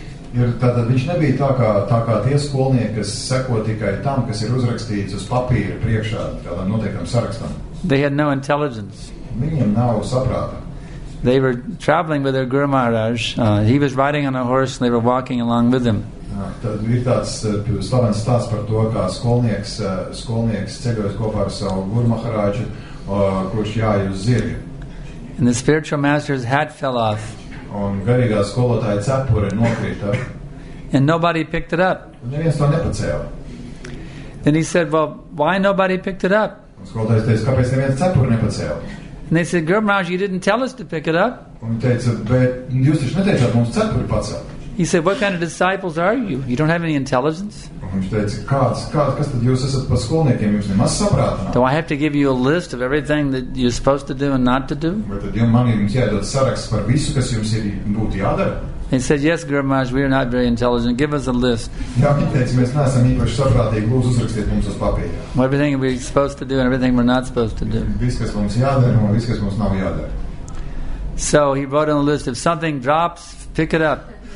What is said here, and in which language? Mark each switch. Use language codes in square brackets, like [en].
[lv] Ir tātad viņš nebija tā kā tie skolnieki, kas seko tikai tam, kas ir uzrakstīts uz papīra priekšā tādam noteiktam sarakstam. [en] They had no intelligence. [lv] Viņiem nav saprāta. [en] They were traveling with their Guru Maharaj. He was riding on a horse and they were walking along with him. [lv] Tad ir tāds slavens stāsts par to, kā skolnieks ceļojas kopā ar savu Guru Maharaju, kurš jāja uz zirga. [en] And the spiritual master's hat fell off. [lv] Un garīgā skolotāja cepure nokrita. [en] And nobody picked it up. [lv] Neviens to nepacēla. [en] Then he said, well, why nobody picked it up? [lv] Un skolotājs teica, kāpēc neviens cepuri nepacēla? [en] And they said, Guru Maharaj, you didn't tell us to pick it up. [lv] Un teica, bet jūs taču neteicāt mums cepuri pacelt. [en] He said, what kind of disciples are you? You don't have any intelligence. [lv] Kas tad jūs esat par skolniekiem? Jūs nemaz saprātināt. [en] Do I have to give you a list of everything that you're supposed to do and not to do? [lv] Par visu, kas jums ir būt jādara? [en] He said, yes, Guru Maharaj, we are not very intelligent. Give us a list. [lv] Mēs neesam īpaši saprātīgi. Lūdzu, uzrakstiet mums uz papīra. [en] Everything we're supposed to do and everything we're not supposed to do. [lv] Viss, kas mums jādara un viss, kas mums nav jādara. [en] So he wrote on a list, if something drops, pick it up.